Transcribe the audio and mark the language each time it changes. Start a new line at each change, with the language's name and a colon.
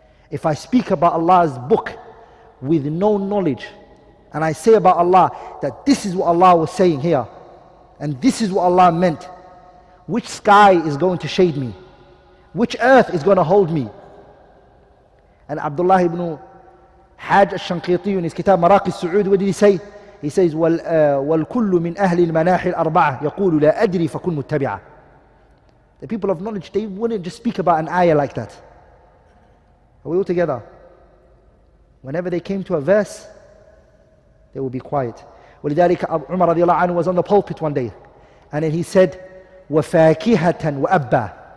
English: If I speak about Allah's book with no knowledge, and I say about Allah that this is what Allah was saying here, and this is what Allah meant, which sky is going to shade me? Which earth is going to hold me? And Abdullah ibn Hajj al-Shanqiti in his kitab Maraqi al-Su'ud, what did he say? He says,
Arabic: وَالْكُلُّ مِنْ أَهْلِ الْمَنَاحِ الْأَرْبَعَةِ يَقُولُ لَا أَدْرِي فَكُنْ مُتَّبِعًا.
English: The people of knowledge, they wouldn't just speak about an ayah like that. Are we all together? Whenever they came to a verse, they would be quiet.
Arabic: ولذلك عمر رضي الله عنه
English: was on the pulpit one day, and then he said,
Arabic: وَفَاكِهَةً وَأَبَّا.